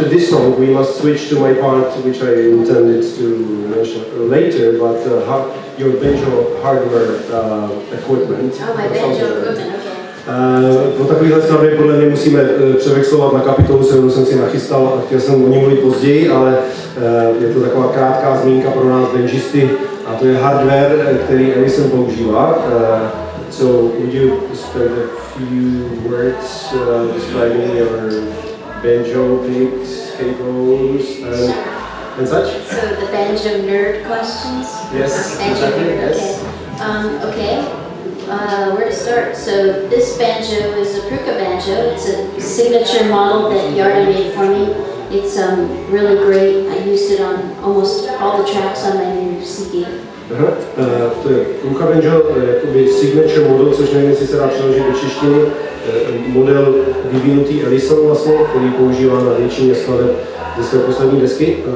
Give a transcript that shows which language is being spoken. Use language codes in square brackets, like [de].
[en] To my part, which I intended to mention later, but your banjo hardware equipment. Oh, my banjo equipment. [cs] Po takovýhle podle mě musíme převexlovat na kapitolu, kterou jsem si nachystal a chtěl jsem o ní mluvit později, ale je to taková krátká zmínka pro nás banjisty, a to je hardware, který Ellison používá. [en] So, would you spend a few words describing your banjo picks? Cables and such. So the banjo nerd questions? Yes. Banjo nerd, yes. Okay. Where to start? So this banjo is a Pruka banjo. It's a signature model that Yardo made for me. It's really great. I used it on almost all the tracks on my new CD. [cs] To je Pruka banjo, jakoby signature model, což nevím, jestli se dá přeložit do češtiny. Model vyvinutý Ellison vlastně, který používá na většině skladeb ze své poslední desky.